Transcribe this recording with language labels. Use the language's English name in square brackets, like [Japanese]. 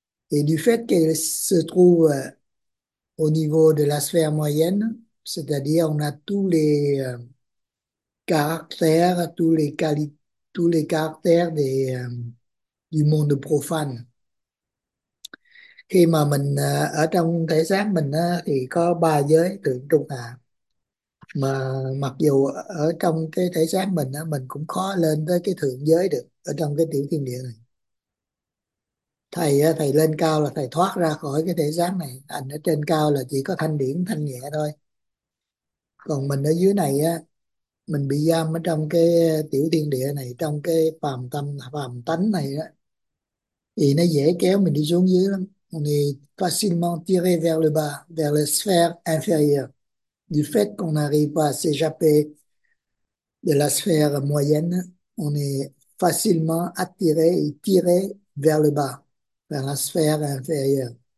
[French] Et du fait qu'elle se trouve au niveau de la sphère moyenne, c'est-à-dire on a tous les caractères, tous les caractères du monde profane. [Vietnamese] Khi mà mình ở trong thể xác mình thì có ba giới thượng trung hạ. Mà mặc dù ở trong cái thể xác mình cũng khó lên tới cái thượng giới được ở trong cái tiểu thiên địa này. Thầy lên cao là thầy thoát ra khỏi cái thể xác này, anh ở trên cao là chỉ có thanh điển thanh nhẹ thôi, còn mình ở dưới này á, mình bị giam ở trong cái tiểu thiên địa này, trong cái phàm tâm phàm tánh này á, thì nó dễ kéo mình đi xuống dưới lắm. [French] On est facilement tiré vers le bas, vers la sphère inférieure, du fait qu'on n'arrive pas à s'échapper de la sphère moyenne, on est facilement attiré et tiré vers le bas, vers la sphère inférieure.